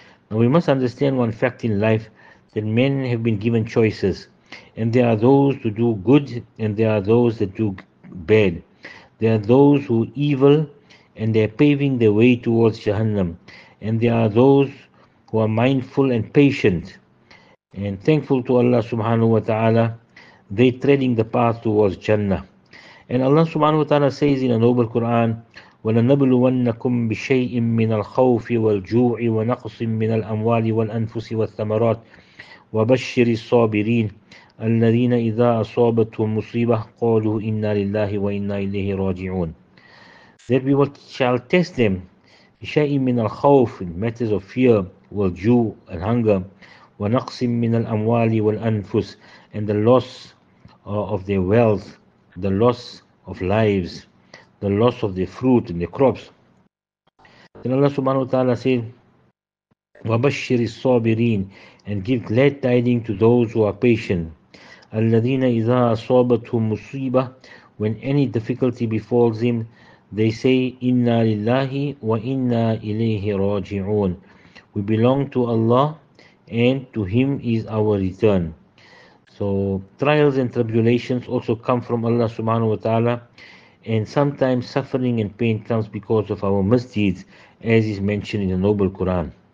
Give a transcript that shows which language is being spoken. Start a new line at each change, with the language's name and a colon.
English: Now, we must understand one fact in life, that men have been given choices, and there are those who do good and there are those that do bad. There are those who are evil and they're paving their way towards Jahannam, and there are those who are mindful and patient and thankful to Allah subhanahu wa ta'ala, they treading the path towards Jannah. And Allah subhanahu wa ta'ala says in a noble Quran,
Arabic: وَلَنَبْلُوَنَّكُمْ بِشَيْءٍ مِّنَ الْخَوْفِ وَالْجُوعِ وَنَقْصٍ مِّنَ الْأَمْوَالِ وَالْأَنفُسِ وَالثَّمَرَاتِ وَبَشِّرِ الصَّابِرِينَ الَّذِينَ إِذَا أَصَابَتْهُمْ مُصِيبَةٌ قَالُوا إِنَّا لِلَّهِ وَإِنَّا إِلَيْهِ رَاجِعُونَ.
English: That we shall test them,
Arabic: بِشَيْءٍ مِّنَ الْخَوْفِ,
English: in matters of fear,
Arabic: وَالْجُوعِ,
English: and hunger,
Arabic: وَنَقْصٍ مِّنَ الْأَمْوَالِ وَالْأَنفُسِ,
English: and the loss of their wealth, the loss of lives, the loss of the fruit and the crops. Then Allah subhanahu wa ta'ala said,
Arabic: وَبَشِّرِ الصَّابِرِينَ,
English: and give glad tidings to those who are patient.
Arabic: الَّذِينَ إِذَا أَصَابَتْهُمْ مُصِيبَةٌ,
English: when any difficulty befalls him, they say,
Arabic: إِنَّا لِلَّهِ وَإِنَّا إِلَيْهِ رَاجِعُونَ.
English: We belong to Allah, and to Him is our return. So trials and tribulations also come from Allah subhanahu wa ta'ala, and sometimes suffering and pain comes because of our misdeeds, as is mentioned in the noble Quran.